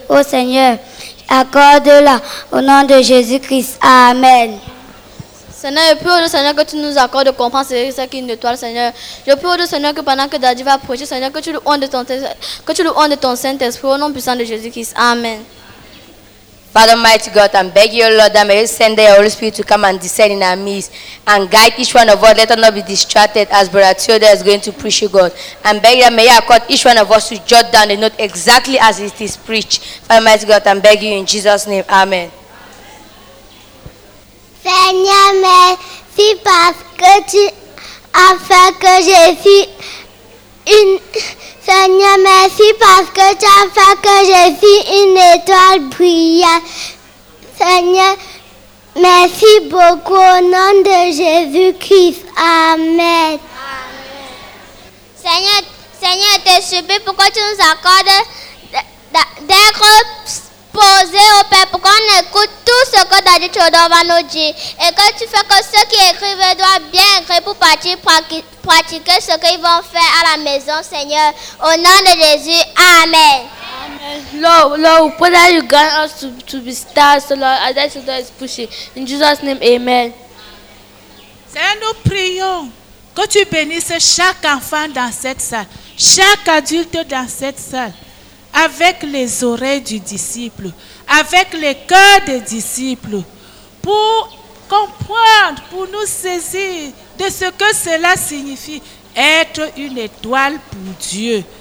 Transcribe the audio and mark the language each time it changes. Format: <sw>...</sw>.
<fr>Oh Seigneur, accorde-la au nom de Jésus-Christ. Amen. Seigneur, je prie au Seigneur que tu nous accordes de comprendre ce qu'est une étoile, Seigneur. Je prie au Seigneur que pendant que Daddy va approcher, Seigneur, que tu le honres de ton Saint-Esprit au nom puissant de Jésus-Christ. Amen.</fr> <en>Father, mighty God, I'm begging you, Lord, that may you send the Holy Spirit to come and descend in our midst and guide each one of us. Let us not be distracted as Brother Theodore is going to preach you, God. I'm begging that may you accord each one of us to jot down the note exactly as it is preached. Father, mighty God, I'm begging you in Jesus' name. Amen.</en> <fr>Seigneur, merci parce que tu as fait que je suis une... Seigneur, merci parce que tu as fait que je suis une étoile brillante. Seigneur, merci beaucoup au nom de Jésus-Christ. Amen. Amen. Seigneur, je te supplie, pourquoi tu nous accordes d'être posé au Père, pour qu'on écoute tout ce que Daddy Chodo va nous dire, et que tu fais que ceux qui écrivent doivent bien écrire pour partir pratiquer ce qu'ils vont faire à la maison, Seigneur, au nom de Jésus. Amen. Amen.</fr> <en>Lord, pray that you grant us to be stars, Lord, as that Chodo is pushing. In Jesus' name, Amen.</en> <fr>Seigneur, nous prions que tu bénisses chaque enfant dans cette salle, chaque adulte dans cette salle, avec les oreilles du disciple, avec le cœur des disciples, pour comprendre, pour nous saisir de ce que cela signifie, être une étoile pour Dieu.</fr>